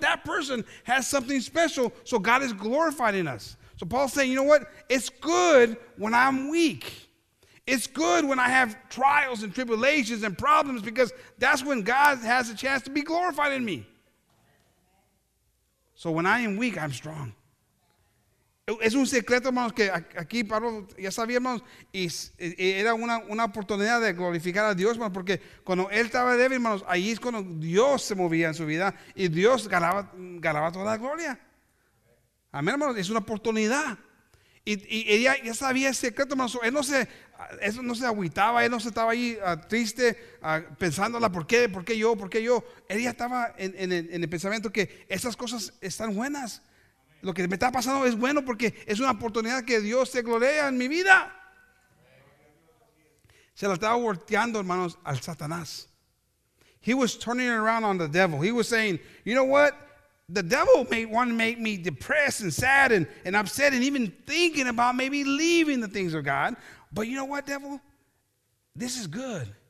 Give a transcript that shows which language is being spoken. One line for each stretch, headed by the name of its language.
English: That person has something special. So God is glorified in us. So Paul's saying, you know what? It's good when I'm weak. It's good when I have trials and tribulations and problems because that's when God has a chance to be glorified in me. So when I am weak, I'm strong.
Spanish: Es un secreto, hermanos, que aquí Pablo ya sabía, hermanos, y era una oportunidad de glorificar a Dios, hermanos, porque cuando él estaba débil, hermanos, ahí es cuando Dios se movía en su vida y Dios ganaba toda la gloria. Amén, hermanos, es una oportunidad. Y ya sabía el secreto, hermanos. Él no se agüitaba, él no se estaba ahí triste, pensándola, ¿por qué yo? Él ya estaba en el pensamiento que esas cosas están buenas. Lo que me está pasando es bueno porque es una oportunidad que Dios se gloria en mi vida. Se la estaba volteando, hermanos, al Satanás.
English: He was turning it around on the devil. He was saying, you know what? The devil may want to make me depressed and sad and upset and even thinking about maybe leaving the things of God. But you know what, devil? This is good.